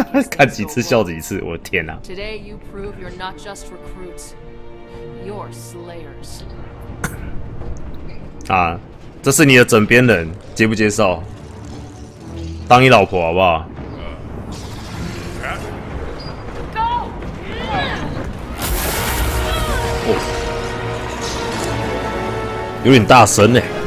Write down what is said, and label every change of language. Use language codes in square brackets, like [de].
[zh] 看几次笑几次，我的天哪！ [en] Today you prove you're not just recruits, you're slayers. [zh] 啊。这是你的枕边人，接不接受？当你老婆好不好？哦，有点大声呢。